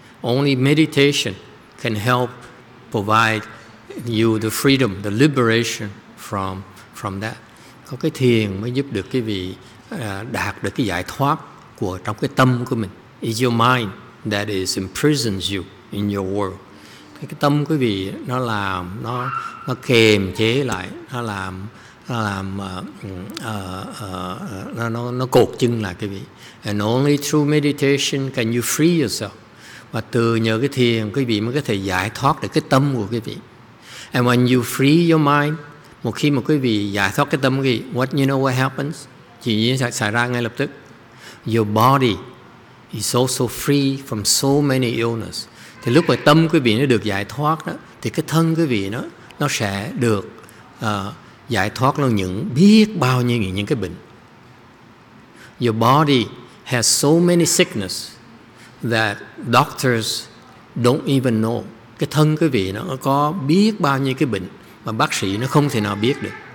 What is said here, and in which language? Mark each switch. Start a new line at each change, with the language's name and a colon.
English: Only meditation can help provide you the freedom, the liberation from that.
Vietnamese: Có cái thiền mới giúp được quý vị đạt được cái giải thoát của trong cái tâm của mình.
English: It's your mind that is imprisons you in your world.
Vietnamese: Cái tâm quý vị nó làm nó kềm chế lại, nó cột chân lại quý vị.
English: And only through meditation can you free yourself.
Vietnamese: Và từ nhờ cái thiền quý vị mới có thể giải thoát được cái tâm của quý vị.
English: And when you free your mind,
Vietnamese: một khi mà quý vị giải thoát cái tâm quý vị,
English: what you know what happens,
Vietnamese: chỉ như xảy ra ngay lập tức,
English: your body is also free from so many illness.
Vietnamese: Thì lúc mà tâm quý vị nó được giải thoát đó, thì cái thân quý vị nó sẽ được giải thoát luôn những biết bao nhiêu những cái bệnh.
English: Your body has so many sickness that doctors don't even know.
Vietnamese: Cái thân quý vị nó có biết bao nhiêu cái bệnh mà bác sĩ nó không thể nào biết được.